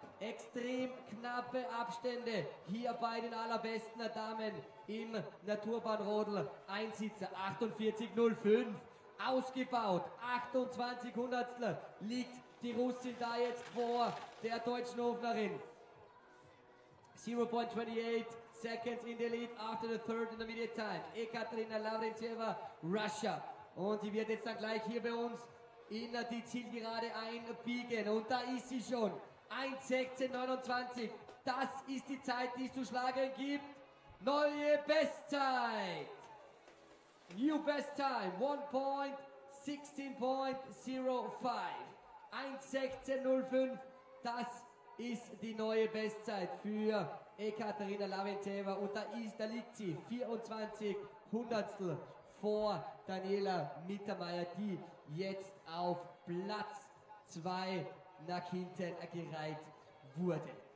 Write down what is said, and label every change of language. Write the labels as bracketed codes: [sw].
[de] Extrem knappe Abstände hier bei den allerbesten Damen im Naturbahnrodel. Einsitzer 48:05 ausgebaut. 28 Hundertstel liegt die Russin da jetzt vor der deutschen Hofnerin. [en] 0.28 seconds in the lead after the third intermediate time. Ekaterina Lavrentieva, Russia. [de] Und sie wird jetzt dann gleich hier bei uns in die Zielgerade einbiegen und da ist sie schon, 1:16:29, das ist die Zeit, die es zu schlagen gibt, neue Bestzeit, [en] new best time, [de] 1:16:05, 1:16:05, das ist die neue Bestzeit für Ekaterina Lavrentieva und da liegt sie, 24 Hundertstel vor Daniela Mittermeier, die jetzt auf Platz 2 nach hinten gereiht wurde.